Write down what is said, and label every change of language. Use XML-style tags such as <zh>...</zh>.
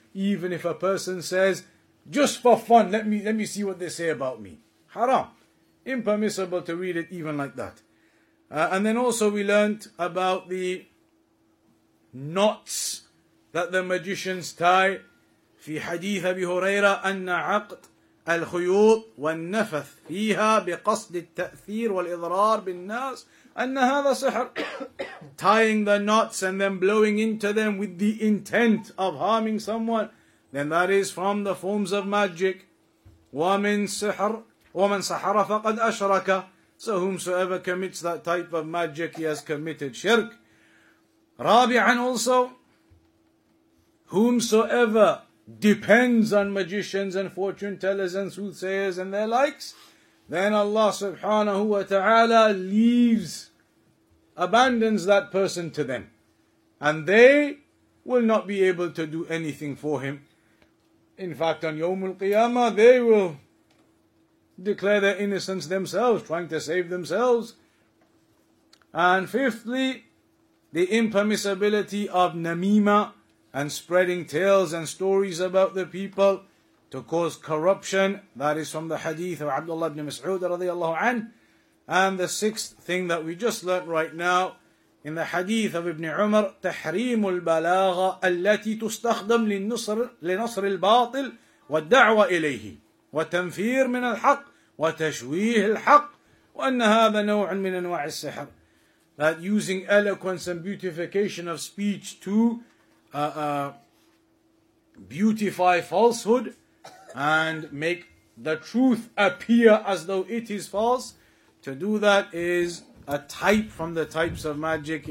<en>Even if a person says, just for fun, let me see what they say about me. Haram. Impermissible to read it even like that. And then also we learnt about the knots that the magicians tie.</en> <ar>في حديث أبي هريرة أن عقد الخيوط والنفث فيها بقصد التأثير والإضرار بالناس أن هذا سحر.</ar> <en>Tying the knots and then blowing into them with the intent of harming someone, then that is from the forms of magic.</en> <ar>ومن سحر فقد أشرك.</ar> <en>So whomsoever commits that type of magic, he has committed shirk.</en> <ar>رابعا</ar> <en>also, whomsoever depends on magicians and fortune tellers and soothsayers and their likes, then Allah subhanahu wa ta'ala abandons that person to them. And they will not be able to do anything for him. In fact, on Yawmul Qiyamah, they will declare their innocence themselves, trying to save themselves. And fifthly, the impermissibility of namima and spreading tales and stories about the people to cause corruption. That is from the hadith of Abdullah ibn Mas'ud radiallahu anhu. And the sixth thing that we just learnt right now in the hadith of Ibn Umar,</en> <ar>تحريم البلاغة التي تستخدم لنصر الباطل والدعوة إليه وتنفير من الحق وتشويه الحق وأن هذا نوع من أنواع السحر.</ar> <en>That using eloquence and beautification of speech to beautify falsehood and make the truth appear as though it is false, to do that is a type from the types of magic.</en>